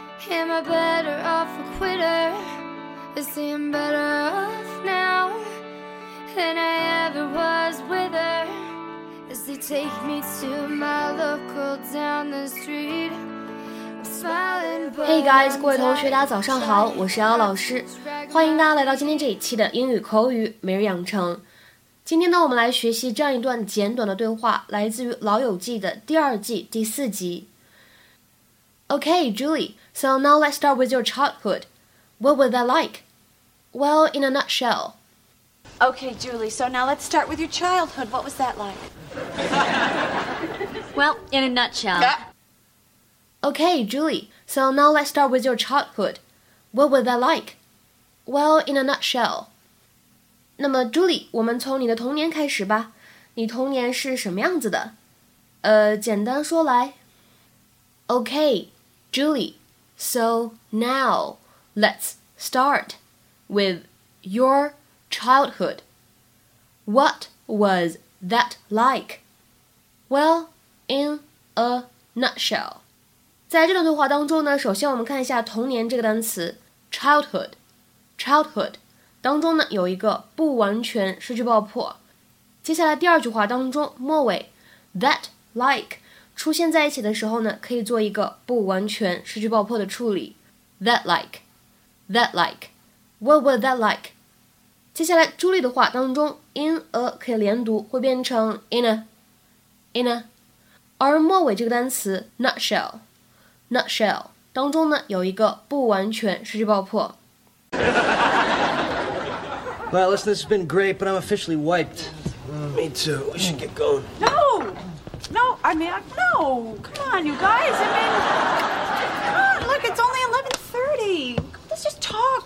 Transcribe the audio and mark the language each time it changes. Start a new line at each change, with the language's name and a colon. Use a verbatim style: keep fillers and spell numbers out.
English: Am I better off a quitter? I see I'm better off now than I ever was with her. As they take me to my local down the street. Hey guys，
Chinese: 各位同学，大家早上好，我是姚老师，欢迎大家来到今天这一期的英语口语每日养成。今天呢，我们来学习这样一段简短的对话，来自于《老友记》的第二季第四集。
English: Okay, Julie, so now let's start with your childhood. What was that like? Well, in a nutshell. Okay, Julie, so now let's start with your childhood. What was that like? Well, in a nutshell. Yeah. Okay, Julie, so now let's start with your childhood. What was that like? Well, in a nutshell.
Chinese: 那么 Julie, 我们从你的童年开始吧。你童年是什么样子的？呃，简单说来。
English: Okay, Julie, so now let's start with your childhood. What was that like? Well, in a nutshell.
Chinese: 在这段对话当中呢，首先我们看一下童年这个单词 childhood childhood 当中呢有一个不完全失去爆破。接下来第二句话当中末尾
English: that like 出现在一起的时候呢，可以做一个不完全失去爆破的处理 that like
Chinese: that like what was that like。接下来朱莉的话当中 in a 可以连读，会变成 in a in a， 而末尾这个单词 nutshell nutshell 当中呢有一个不完全失去爆破。
English: Well, listen, this has been great, but I'm officially wiped.、Mm. Me too. We should get going. No, no, I mean, no. Come on, you guys. I mean, come on, look, it's only eleven thirty. Let's just talk.